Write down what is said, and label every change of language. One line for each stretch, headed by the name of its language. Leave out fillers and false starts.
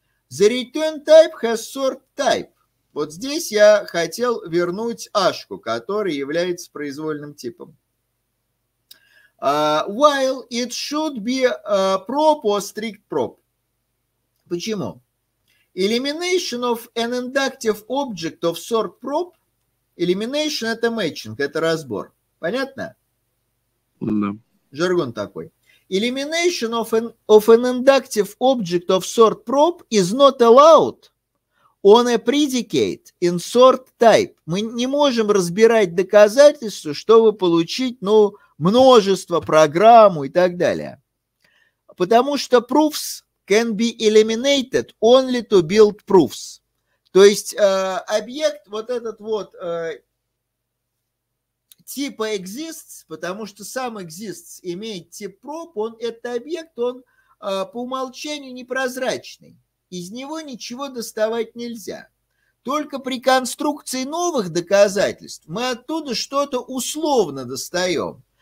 English: The return type has sort type.
Russian: Вот здесь я хотел вернуть H, который является произвольным типом.
English: While it should be prop or strict prop.
Russian: Почему?
English: Elimination of an inductive object of sort prop.
Russian: Elimination – это matching, это разбор. Понятно? Да. Жаргон такой.
English: Elimination of an inductive object of sort prop is not allowed on a predicate in sort type.
Russian: Мы не можем разбирать доказательства, чтобы получить, ну, множество, программу и так далее. Потому что
English: proofs can be eliminated only to build proofs.
Russian: То есть объект вот этот вот типа exists, потому что сам exists имеет тип prop, он этот объект, он по умолчанию непрозрачный. Из него ничего доставать нельзя. Только при конструкции новых доказательств мы оттуда что-то условно достаем.